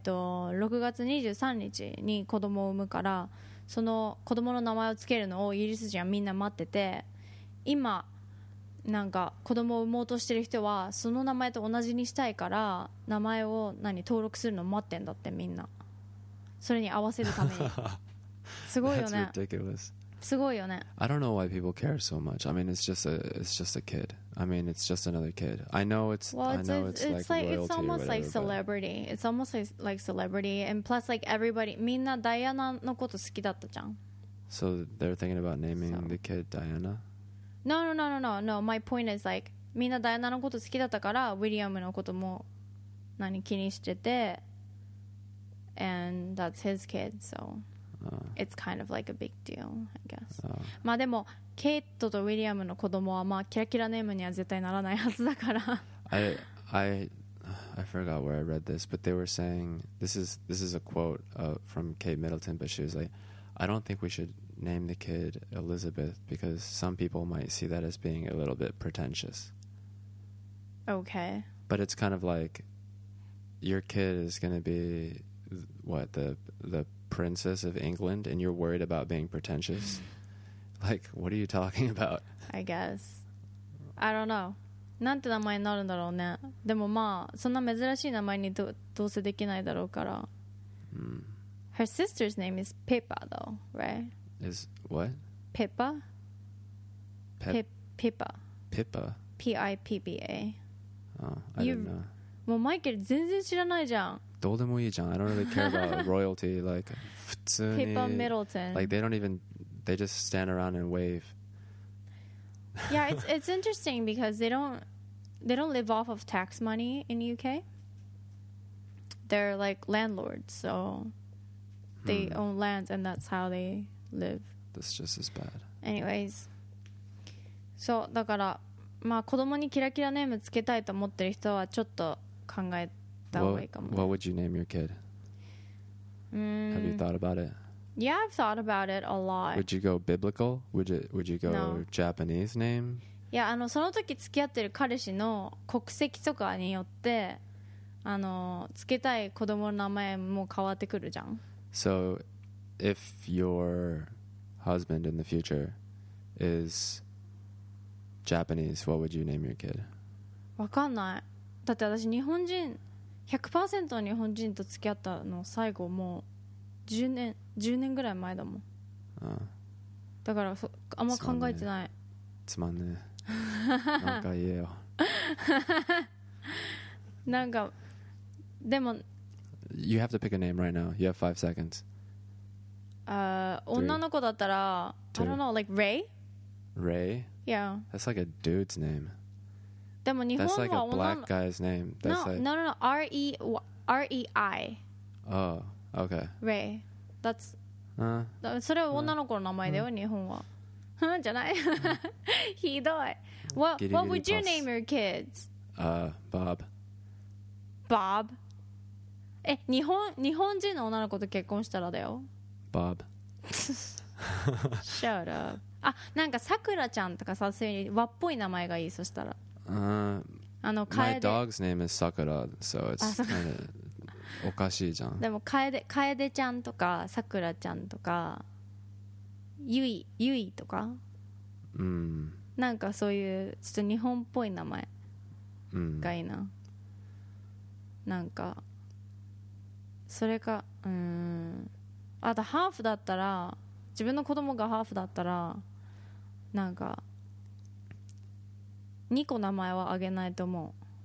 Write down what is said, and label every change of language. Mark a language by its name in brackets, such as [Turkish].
[Japanese] 6月23日に子供を産むから、その子供の名前をつけるのをイギリス人はみんな待ってて、今なんか子供を産もうとしてる人はその名前と同じにしたいから、名前を何登録するのを待ってんだって、みんなそれに合わせるためにすごいよね。 [English] That's ridiculous. [Japanese] すごいよね。 [English] I don't know why people care so much. I mean, it's just a kid. I mean, it's just another kid. I know it's, well, it's I know it's like royalty. It's almost like celebrity. But... It's almost like celebrity. And plus, like everybody, [Japanese] みんなダイアナのこと好きだったじゃん。 [English] So they're thinking about naming the kid Diana? No. My point is like, [Japanese] みんなダイアナのこと好きだったから、ウィリアムのことも何気にしてて、 [English] and that's his kid, so. It's kind of like a big deal, I guess. [Japanese] まあでも、ケイトとウィリアムの子供はまあキラキラネームには絶対ならないはずだから。 [English] I forgot where I read this, but they were saying this is a quote from Kate Middleton, but she was like, I don't think we should name the kid Elizabeth because some people might see that as being a little bit pretentious. Okay. But it's kind of like your kid is going to be what the princess of England and you're worried about being pretentious? Like, what are you talking about? I guess. I don't know. [Japanese] なんて名前になるんだろうね。でもまあ、そんな珍しい名前にどうせできないだろうから。 [English] Her sister's name is Pippa, though, right? Is what? Pippa? Pippa. Pippa? P-I-P-P-A. Oh, I didn't know. [Japanese] もうマイケル全然知らないじゃん。どうでもいいじゃん。 [English] I don't really care about royalty. Like, [Japanese] 普通に。 [English] Pippa Middleton. Like, they just stand around and wave. Yeah, it's interesting because they don't live off of tax money in UK. They're like landlords, so they own land and that's how they live. That's just as bad. Anyways. [Japanese] So, だから、まあ子供にキラキラネームつけたいと思ってる人はちょっと考えて、 [English] What would you name your kid? Have you thought about it? Yeah, I've thought about it a lot. Would you go biblical? Would you go no. Japanese name? [Japanese] Yeah, あのその時付き合ってる彼氏の国籍とかによって、あの付けたい子供の名前も変わってくるじゃん。 [English] So, if your husband in the future is Japanese, what would you name your kid? [Japanese] わかんない。だって私日本人100% 日本人と付き合ったの最後もう 10年ぐらい前だもん。だからあんま考えてない。つまんねえ。なんか言えよ。なんかでも。 [English] You have to pick a name right now. You have 5 seconds. [Japanese] 女の子だったら、 [English] I don't know, like Ray. Ray. Yeah. That's like a dude's name. [Japanese] でも日本は [English] That's like a black guy's name. That's no, like... no, no, no. R-E-I. Oh, okay. Ray. That's [Japanese] それは女の子の名前だよ、日本は。じゃない。ひどい。 [English] What would you name your kids? Bob. Bob? [Japanese] え、日本人の女の子と結婚したらだよ。 [English] Bob. Shut up. [Japanese] あ、なんかさくらちゃんとかさ、そういう和っぽい名前がいい、そしたら。あの、 [English] My dog's name is Sakura, so it's kind of... [Japanese] おかしいじゃん。でも楓ちゃんとかさくらちゃんとかゆいとか、うん、なんかそういうちょっと日本っぽい名前がいいな、うん、なんかそれか、うん、あとハーフだったら、自分の子供がハーフだったらなんか2個名前はあげないと思う。